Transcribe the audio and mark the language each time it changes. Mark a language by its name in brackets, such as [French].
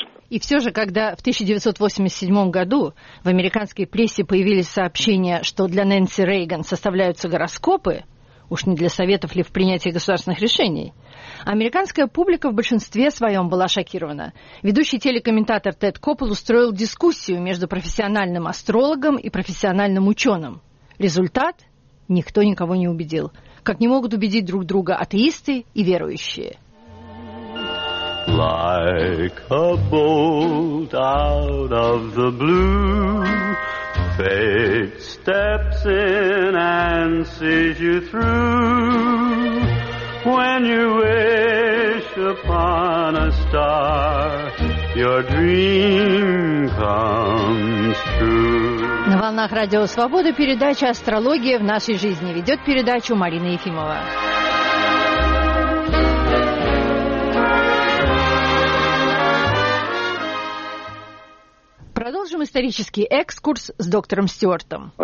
[Russian] И все же, когда в 1987 году в американской прессе появились сообщения, что для Нэнси Рейган составляются гороскопы, уж не для советов ли в принятии государственных решений, американская публика в большинстве своем была шокирована. Ведущий телекомментатор Тед Коппел устроил дискуссию между профессиональным астрологом и профессиональным ученым. Результат? Никто никого не убедил. Как не могут убедить друг друга атеисты и верующие. [English] Like a bolt out of the blue, fate steps in and sees you through. When you wish upon a star, your dream comes true. [Russian] На волнах Радио Свобода передача «Астрология в нашей жизни». Ведет передачу Марина Ефимова. Продолжим исторический экскурс с доктором Стюартом.